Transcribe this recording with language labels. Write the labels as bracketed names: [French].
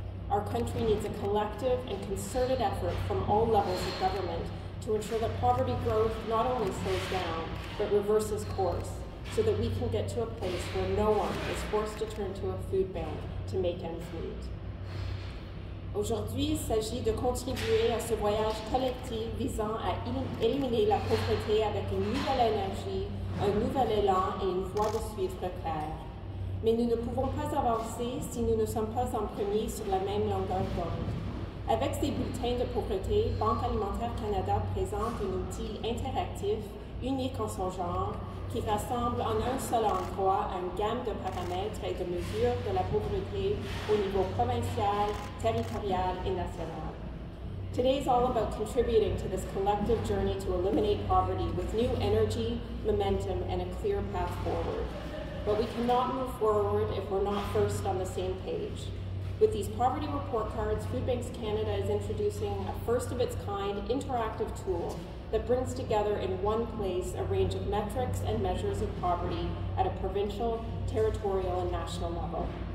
[English] Our country needs a collective and concerted effort from all levels of government to ensure that poverty growth not only slows down, but reverses course, so that we can get to a place where no one is forced to turn to a food bank to make ends meet. [French] Aujourd'hui, il s'agit de contribuer à ce voyage collectif visant à éliminer la pauvreté avec une nouvelle énergie, un nouvel élan et une voie de suivre claire. Mais nous ne pouvons pas avancer si nous ne sommes pas en premier sur la même longueur d'onde. Avec ses bulletins de pauvreté, Banque alimentaire Canada présente un outil interactif unique en son genre qui rassemble en un seul endroit une gamme de paramètres et de mesures de la pauvreté au niveau provincial, territorial et national. [English] Today is all about contributing to this collective journey to eliminate poverty with new energy, momentum, and a clear path forward. But we cannot move forward if we're not first on the same page. With these poverty report cards, Food Banks Canada is introducing a first-of-its-kind interactive tool that brings together in one place a range of metrics and measures of poverty at a provincial, territorial, and national level.